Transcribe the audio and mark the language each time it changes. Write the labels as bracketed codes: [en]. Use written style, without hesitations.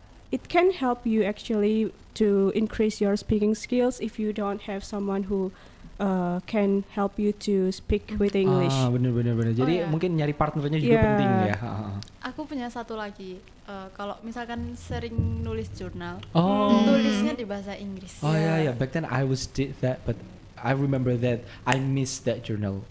[en] It can help you actually to increase your speaking skills if you don't have someone who can help you to speak with English. [id] Bener. Jadi mungkin nyari partnernya juga penting ya. Aku punya satu lagi. Kalau misalkan sering nulis jurnal, tulisnya di bahasa Inggris. [en] Back then I was did that, but I remember that I miss that journal.